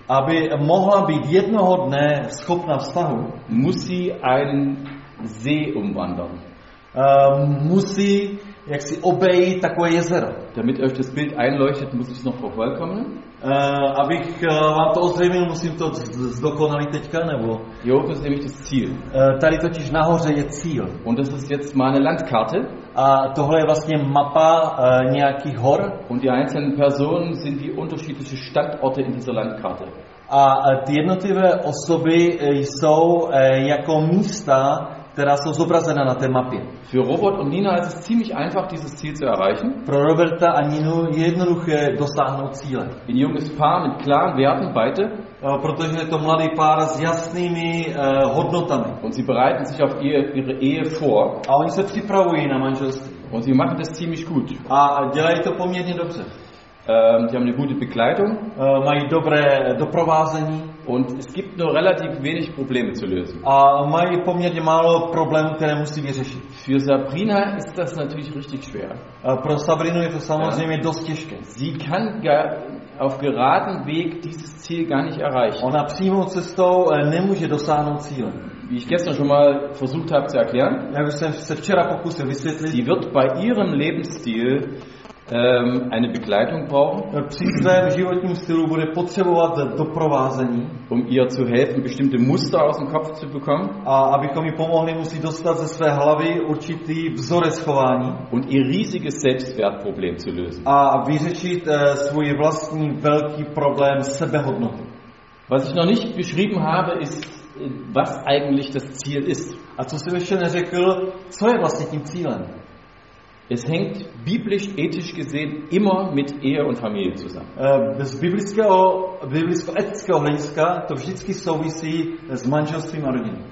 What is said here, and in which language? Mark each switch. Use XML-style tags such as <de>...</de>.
<cs>aby mohla být jednoho dne schopna vztahu, musí</cs> <de>einen See umwandern.</de> <cs>Musí jak si obejít takové jezero.</cs> <de>Damit euch das Bild einleuchtet, muss ich es noch vervollkommnen.</de> <cs>Abych vám to ozřejmil, musím to zdokonalit teďka, nebo? Jo, to je</cs> <de>nämlich das Ziel.</de> <cs>Tady totiž nahoře je cíl.</cs> <de>Und das ist jetzt meine Landkarte.</de> <cs>A tohle je vlastně mapa nějakých hor.</cs> <de>Und die einzelnen Personen sind die unterschiedlichen Standorte in dieser Landkarte.</de> <cs>A ty jednotlivé osoby jsou jako místa, která jsou zobrazena na té mapě.</cs> <de>Für Robert und Nina ist es ziemlich einfach, dieses Ziel zu erreichen.</de> <cs>Pro Roberta a Ninu je jednoduché dosáhnout cíle.</cs> <de>Ein junges Paar mit klaren Werten beide.</de> <cs>Protože je to mladý pár s jasnými hodnotami.</cs> <de>Und sie bereiten sich auf ihre Ehe vor.</de> <cs>A oni se připravují na manželství.</cs> <de>Und sie machen das ziemlich gut.</de> <cs>A dělají to poměrně dobře.</cs> <de>Die haben eine gute Begleitung.</de> <cs>Mají dobré doprovázení.</cs> <de>Und es gibt nur relativ wenig Probleme zu lösen.</de> <cs>A mají poměrně málo problémů, které musí vyřešit.</cs> <de>Für Sabrina ist das natürlich richtig schwer.</de> <cs>Pro Sabrinu je to samozřejmě dost těžké.</cs> <de>Sie kann auf geraden Weg dieses Ziel gar nicht erreichen.</de> <cs>Ona přímou cestou nemůže dosáhnout cíle.</cs> <de>Wie ich gestern schon mal versucht habe zu erklären.</de> <cs>Já bych se včera pokusil vysvětlit.</cs> <de>Sie wird bei ihrem Lebensstil eine Begleitung brauchen.</de> <cs>Při svém životním stylu bude potřebovat doprovázení.</cs> <de>Um ihr zu helfen, bestimmte Muster aus dem Kopf zu bekommen.</de> <cs>A abychom jí pomohli, musí dostat ze své hlavy určitý vzorec chování.</cs> <de>Und ihr riesiges Selbstwertproblem zu lösen.</de> <cs>A vyřešit svůj vlastní velký problém sebehodnoty.</cs> <de>Was ich noch nicht beschrieben habe, ist, was eigentlich das Ziel ist.</de> <cs>A co jsem ještě neřekl, co je vlastně tím cílem?</cs> <de>Es hängt biblisch ethisch gesehen immer mit Ehe und Familie zusammen.</de> <cs>Bez biblicko etického hlediska to vždycky souvisí s manželstvím a rodinou.</cs>